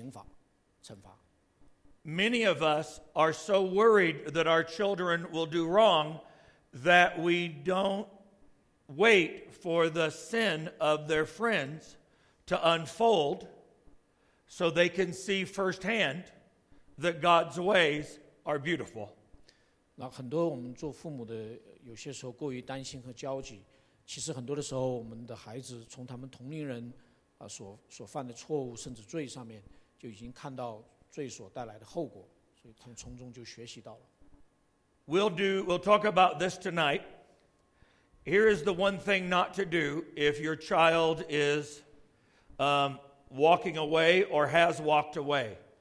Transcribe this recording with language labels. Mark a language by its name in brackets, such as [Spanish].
[Chinese] 我听到过一位神学家讲说，大部分的罪，他们自己本身就带出了刑罚、惩罚。 [English] Many of us are so worried that our children will do wrong that we don't wait for the sin of their friends to unfold so they can see firsthand that God's ways are beautiful. [Chinese] 那很多我们做父母的有些时候过于担心和焦急，其实很多的时候我们的孩子从他们同龄人所犯的错误甚至罪上面就已经看到罪所带来的后果，所以从中就学习到了。 [English] We'll talk about this tonight. Here is the one thing not to do if your child is walking away or has walked away.